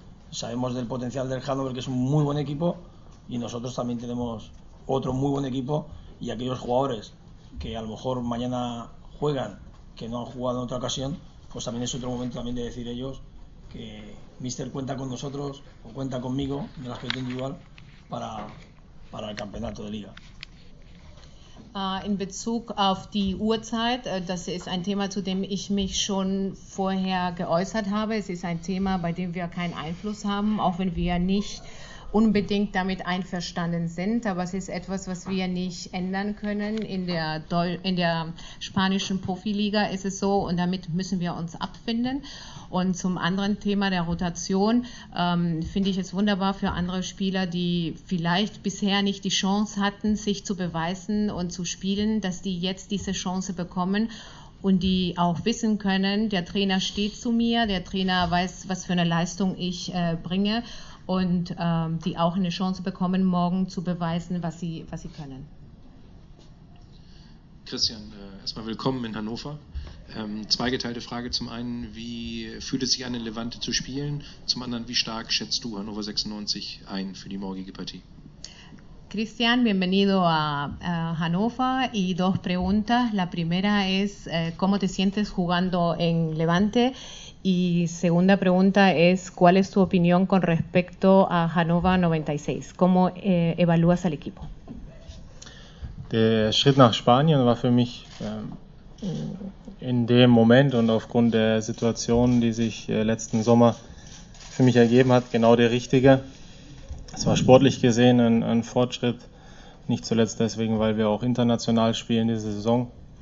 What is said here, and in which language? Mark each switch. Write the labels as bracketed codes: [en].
[es] Sabemos del potencial del Hannover, que es un muy buen equipo, y nosotros también tenemos otro muy buen equipo, y aquellos jugadores que a lo mejor mañana juegan, que no han jugado en otra ocasión, pues también es otro momento también de decir ellos que Mister cuenta con nosotros, o cuenta conmigo, en el aspecto individual, para el campeonato de liga. [de] In Bezug auf die Uhrzeit, das ist ein Thema, zu dem ich mich schon vorher geäußert habe. Es ist ein Thema, bei dem wir keinen Einfluss haben, auch wenn wir nicht unbedingt damit einverstanden sind, aber es ist etwas, was wir nicht ändern können. In der spanischen Profiliga ist es so, und damit müssen wir uns abfinden. Und zum anderen Thema der Rotation, finde ich es wunderbar für andere Spieler, die vielleicht bisher nicht die Chance hatten, sich zu beweisen und zu spielen, dass die jetzt diese Chance bekommen. Und die auch wissen können, der Trainer steht zu mir, der Trainer weiß, was für eine Leistung ich bringe, und die auch eine Chance bekommen, morgen zu beweisen, was sie können. Christian, erstmal willkommen in Hannover. Zweigeteilte Frage, zum einen, wie fühlt es sich an, in Levante zu spielen? Zum anderen, wie stark schätzt du Hannover 96 ein für die morgige Partie? [es] Cristian, bienvenido a Hannover, y 2 preguntas. La primera es, ¿cómo te sientes jugando en Levante? Y segunda pregunta es, ¿cuál es tu opinión con respecto a Hannover 96? ¿Cómo evalúas al equipo? [de] Der Schritt nach Spanien war für mich in dem Moment und aufgrund der Situation, die sich letzten Sommer für mich ergeben hat, genau der richtige. Es war sportlich gesehen ein Fortschritt, nicht zuletzt deswegen, weil wir auch international spielen diese Saison.